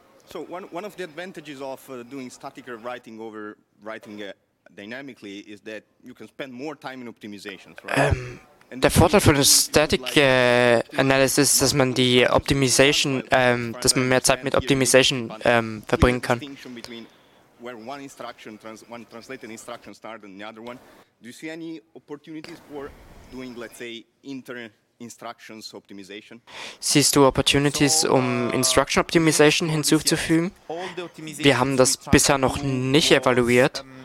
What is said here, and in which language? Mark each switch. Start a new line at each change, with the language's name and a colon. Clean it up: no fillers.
English: So one of the advantages of doing static writing over writing dynamically is that you can spend more time in optimizations, right?
German: Der Vorteil von Static Analysis ist, dass man die Optimization, dass man mehr Zeit mit Optimization verbringen kann.
English: Where one instruction, one translated instruction start and the other one. Do you see any opportunities for doing, let's say, inter-instructions optimization?
German: Siehst du Opportunities, Instruction Optimization hinzuzufügen? Wir haben das bisher noch nicht evaluiert.